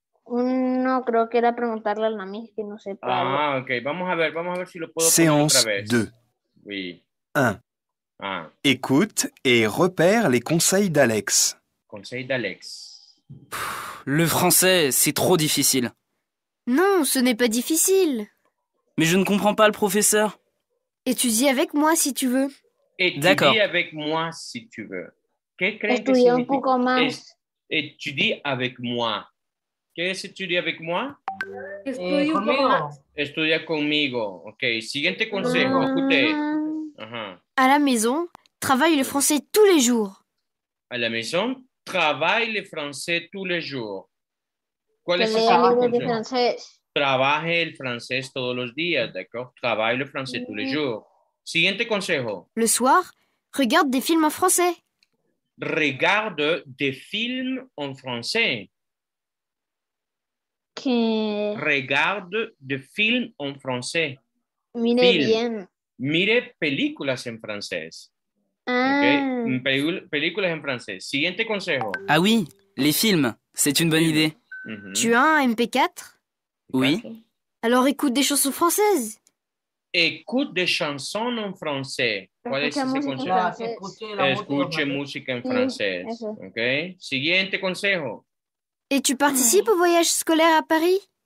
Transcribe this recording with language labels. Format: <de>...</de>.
<es>No, creo que era preguntarle a la misma que no sepa. Ah, ok. Vamos a ver si lo puedo poner otra vez.</es> <fr>Séance 2. Oui. 1. Écoute et repère les conseils d'Alex. Conseil d'Alex. Le français, c'est trop difficile. Non, ce n'est pas difficile. Mais je ne comprends pas le professeur. Étudie avec moi si tu veux. D'accord. Étudie avec moi si tu veux. Étudie un peu comme un. Étudie avec moi.</fr> <es>¿Qué es estudiar</es> <fr>avec moi?</fr> <es>Estudio conmigo. Estudia conmigo. Ok, siguiente consejo. Écoutez.</es> <fr>À la maison, travaille le français tous les jours. À la maison, travaille le français tous les jours.</fr> <es>¿Cuál es el consejo? Trabaje el francés todos los días, d'accord?</es> <fr>Travaille le français tous les jours.</fr> <es>Siguiente consejo.</es> <fr>Le soir, regarde des films en français. Regarde des films en français.</fr> <es>Que...</es> <fr>Regarde de film en français.</fr> <es>Mire film. Bien. Mire películas en francés. Ah. Okay. Películas en francés. Siguiente consejo.</es> <fr>Ah oui, les films, c'est une bonne idée. Tu as un MP4? Oui. Alors écoute des chansons françaises. Écoute des chansons en français.</fr> <es>¿Cuál es ese consejo? Escuche música en francés. Okay. Siguiente consejo.</es> <fr>Et tu participes au voyage scolaire à Paris?</fr>